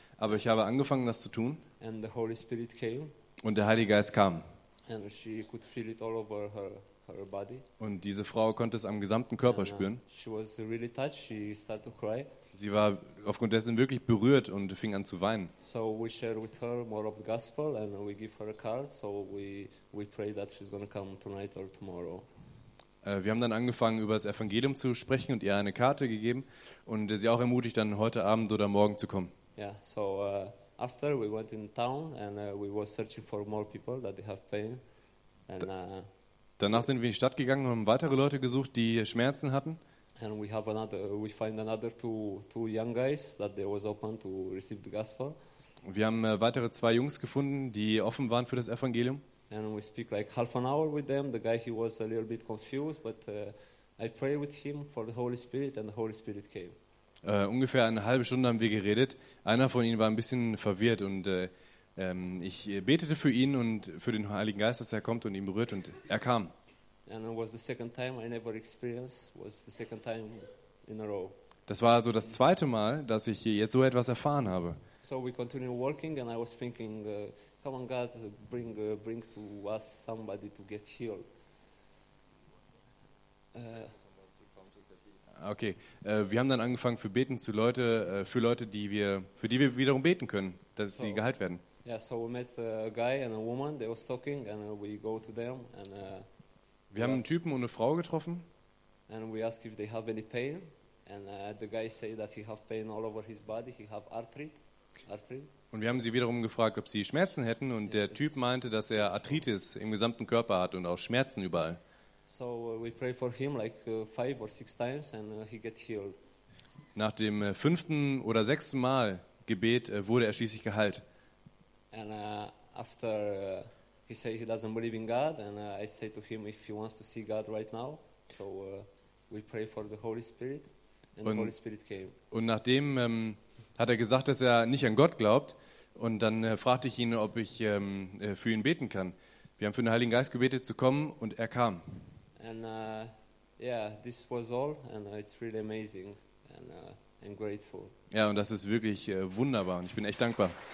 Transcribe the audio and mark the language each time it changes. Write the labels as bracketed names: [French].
[German] Aber ich habe angefangen, das zu tun. [English] And the Holy Spirit came. [German] Und der Heilige Geist kam. [English] And she could feel it all over her body. [German] Und diese Frau konnte es am gesamten Körper spüren. [English] She was really touched. She started to cry. [German] Sie war aufgrund dessen wirklich berührt und fing an zu weinen. [English] So we shared with her more of the gospel and we give her a card. So we pray that she's gonna come tonight or tomorrow. [German] Wir haben dann angefangen, über das Evangelium zu sprechen und ihr eine Karte gegeben und sie auch ermutigt, dann heute Abend oder morgen zu kommen. [English] Yeah, so after we went in town and we were searching for more people that they have pain. And, [German] danach sind wir in die Stadt gegangen und haben weitere Leute gesucht, die Schmerzen hatten. [English] And we find another two young guys that they was open to receive the gospel. [German] Wir haben weitere zwei Jungs gefunden, die offen waren für das Evangelium. [English] And we speak like half an hour with them. The guy, he was a little bit confused, but I pray with him for the Holy Spirit, and the Holy Spirit came. [German] Ungefähr eine halbe Stunde haben wir geredet. Einer von ihnen war ein bisschen verwirrt und ich betete für ihn und für den Heiligen Geist, dass er kommt und ihn berührt, und er kam. [English] And it was the second time I never experienced. Was the second time in a row. [German] Das war also das zweite Mal, dass ich jetzt so etwas erfahren habe. [English] So we continued walking, and I was thinking. Come on, God, bring to us somebody to get healed. [German] Okay, wir haben dann angefangen für beten zu Leute, für Leute, für die wir wiederum beten können, dass sie geheilt werden. [English] Yeah, so we met a guy and a woman. They were talking, and we go to them. And [German] wir haben einen Typen und eine Frau getroffen. [English] And we ask if they have any pain, and the guy say that he have pain all over his body. He have arthrit. [German] Und wir haben sie wiederum gefragt, ob sie Schmerzen hätten, und der Typ meinte, dass er Arthritis im gesamten Körper hat und auch Schmerzen überall. [English] So we pray for him like 5 or 6 times and he get healed. [German] Nach dem fünften oder sechsten Mal Gebet wurde er schließlich geheilt. [English] And after he say he doesn't believe in God, and I say to him if he wants to see God right now, so we pray for the Holy Spirit, and the Holy Spirit came. [German] Und nachdem hat er gesagt, dass er nicht an Gott glaubt. Und dann fragte ich ihn, ob ich für ihn beten kann. Wir haben für den Heiligen Geist gebetet, zu kommen, und er kam. [English] And, this was all, and it's really amazing, and I'm grateful. [German] Ja, und das ist wirklich wunderbar, und ich bin echt dankbar.